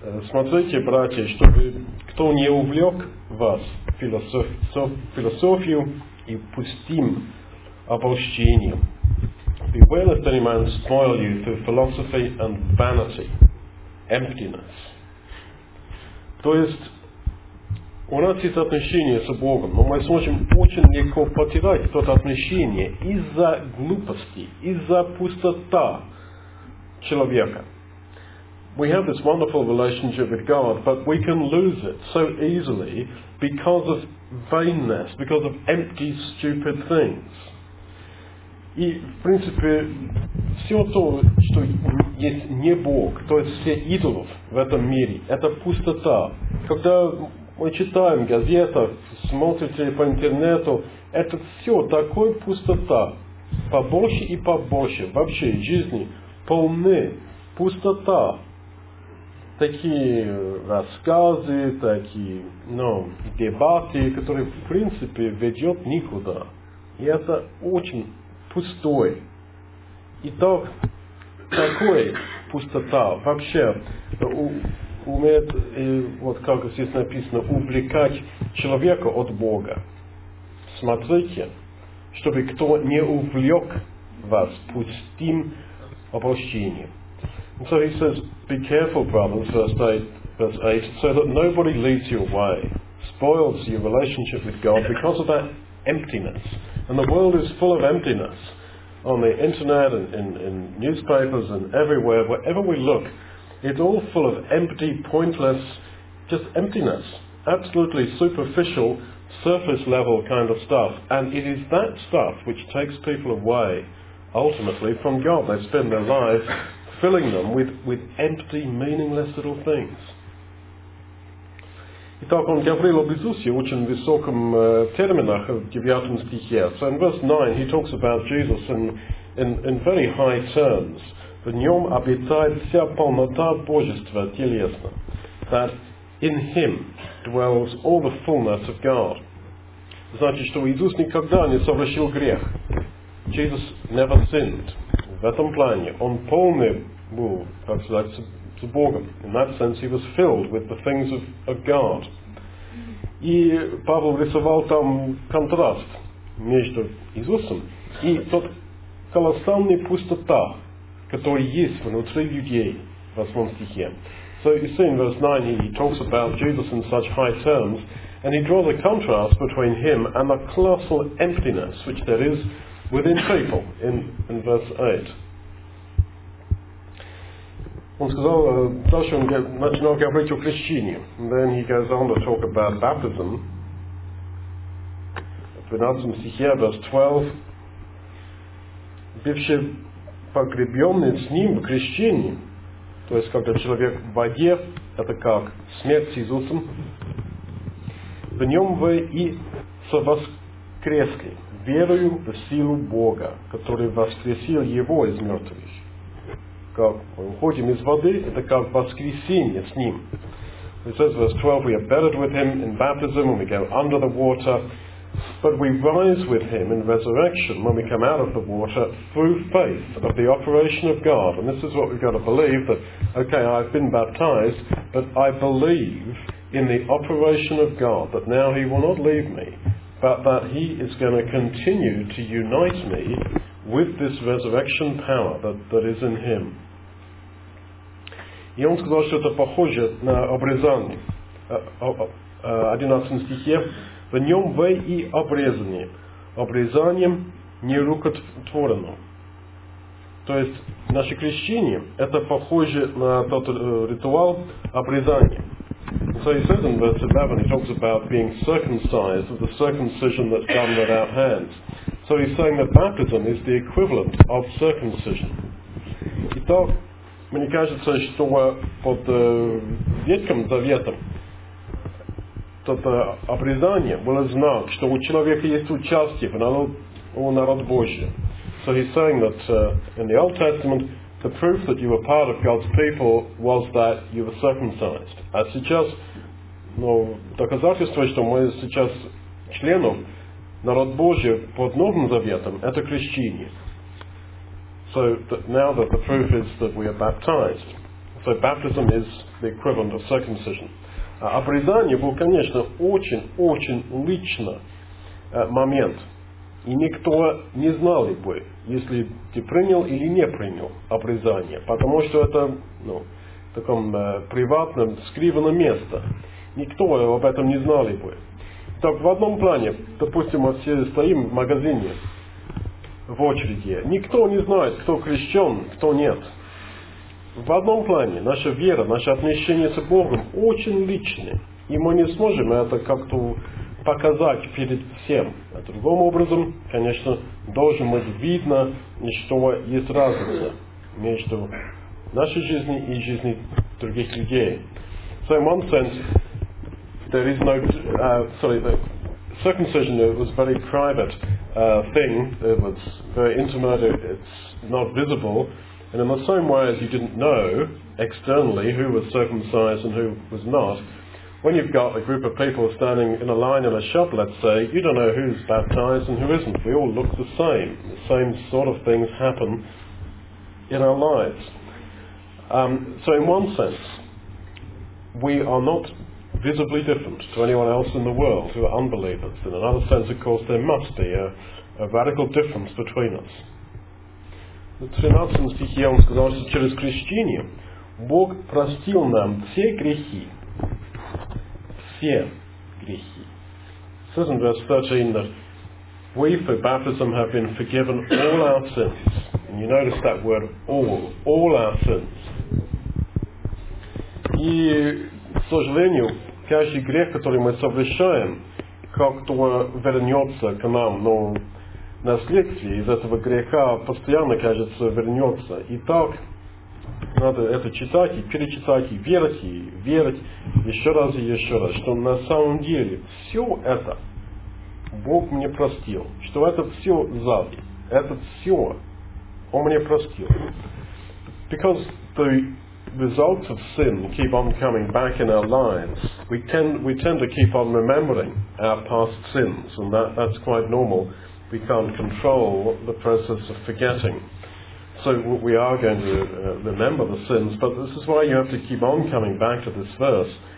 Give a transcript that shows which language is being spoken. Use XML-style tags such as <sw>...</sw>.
<ru>Смотрите, братья, чтобы кто не увлек вас философию и пустим обольщением.</ru> <en>Beware lest any man spoil you through philosophy and vanity, emptiness.</en> <ru>То есть, у нас есть отношения с Богом, но мы сможем очень легко потерять то отношение из-за глупости, из-за пустота человека.</ru> <en>We have this wonderful relationship with God, but we can lose it so easily because of vainness, because of empty, stupid things.</en> <ru>И, в принципе, все то, что есть не Бог, то есть все идолов в этом мире, это пустота. Когда мы читаем газеты, смотрите по интернету, это все такое пустота. Побольше и побольше. Вообще, жизни полны пустота. Такие рассказы, такие, ну, дебаты, которые, в принципе, ведет никуда. И это очень пустой. И так, такой пустота вообще умеет, вот как здесь написано, увлекать человека от Бога. Смотрите, чтобы кто не увлек вас пустым обращением.</ru> <en>So he says, be careful, brothers, verse 8, so that nobody leads you away, spoils your relationship with God because of that emptiness. And the world is full of emptiness. On the internet, and in newspapers, and everywhere, wherever we look, it's all full of empty, pointless, just emptiness. Absolutely superficial, surface level kind of stuff. And it is that stuff which takes people away, ultimately, from God. They spend their lives filling them with empty, meaningless little things.</en> <ru>Итак, он говорил об Иисусе в очень высоком терминах в 9 стихе.</ru> <en>So in verse 9 he talks about Jesus in very high terms.</en> <ru>В нем обитает вся полнота Божества телесно.</ru> <en>That in him dwells all the fullness of God.</en> <ru>Значит, что Иисус никогда не совершил грех.</ru> <en>Jesus never sinned.</en> <ru>В этом плане он полный был, как сказать, с Богом.</ru> <en>In that sense, he was filled with the things of God.</en> <ru>И Павел рисовал там контраст между Иисусом и тот колоссальный пустота, который есть внутри людей, в 8 стихе.</ru> <en>So you see in verse 9, he talks about Jesus in such high terms, and he draws a contrast between him and the colossal emptiness which there is within people in verse 8.</en> <ru>Он сказал, дальше он начинал говорить о крещении.</ru> <en>And then he goes on to talk about baptism.</en> <ru>В 12 стихе,</ru> <en>verse 12.</en> <ru>Бывший погребенный с ним в крещении, то есть когда человек в воде, это как смерть с Иисусом, в нем вы и совоскресли верою в силу Бога, который воскресил его из мертвых. Как мы уходим из воды, это как воскресение с ним.</ru> <en>It says verse 12, we are buried with him in baptism when we go under the water, but we rise with him in resurrection when we come out of the water through faith of the operation of God. And this is what we've got to believe, that, okay, I've been baptized, but I believe in the operation of God, that now he will not leave me, but that he is going to continue to unite me with this resurrection power that is in him.</en> <ru>И он сказал, что это похоже на обрезание. 11 стихе. В нем вы и обрезаны. Обрезанием нерукотворенным. То есть, наше крещение, это похоже на тот ритуал обрезания.</ru> <en>So he says in verse 11, he talks about being circumcised, of the circumcision that's done without hands. So he's saying that baptism is the equivalent of circumcision.</en> <ru>Итак, мне кажется, что под Ветхим Заветом тот обрезание было знак, что у человека есть участие в народ Божий.</ru> <en>So he's saying that in the Old Testament, the proof that you were part of God's people was that you were circumcised.</en> <ru>А сейчас, ну, доказательство, что мы сейчас членом народ Божий под Новым Заветом, это крещение.</ru> <en>So that now that the proof is that we are baptized. So baptism is the equivalent of circumcision.</en> <ru>Обрезание был, конечно, очень-очень лично момент. И никто не знал бы, если ты принял или не принял обрезание. Потому что это, ну, в таком приватном, скрыванном месте. Никто об этом не знал бы. Так в одном плане, допустим, мы все стоим в магазине, в очереди. Никто не знает, кто крещен, кто нет. В одном плане, наша вера, наше отношение с Богом очень личны. И мы не сможем это как-то показать перед всем. А другим образом, конечно, должен быть видно, что есть разница между нашей жизнью и жизнью других людей.</ru> <en>So in one sense, there is no, the circumcision was a very private thing. It was very intimate. It's not visible. And in the same way as you didn't know externally who was circumcised and who was not, when you've got a group of people standing in a line in a shop, let's say, you don't know who's baptized and who isn't. We all look the same. The same sort of things happen in our lives. So in one sense, we are not visibly different to anyone else in the world who are unbelievers. In another sense, of course, there must be a radical difference between us.</en> <ru>В 13 стихе он сказал, что через крещение Бог простил нам все грехи. Все грехи.</ru> <en>It says in verse 13 that we for baptism have been forgiven all our sins. And you notice that word all our sins.</en> <ru>И, к сожалению, каждый грех, который мы совершаем, как-то вернется к нам, но наследствие из этого греха постоянно, кажется, вернется. Итак, надо это читать и перечитать, и верить, еще раз и еще раз, что на самом деле все это Бог мне простил, что это все зави, это все Он мне простил.</ru> <en>Because the results of sin keep on coming back in our lives, we tend to keep on remembering our past sins, and that's quite normal. We can't control the process of forgetting. So we are going to remember the sins, but this is why you have to keep on coming back to this verse.</en>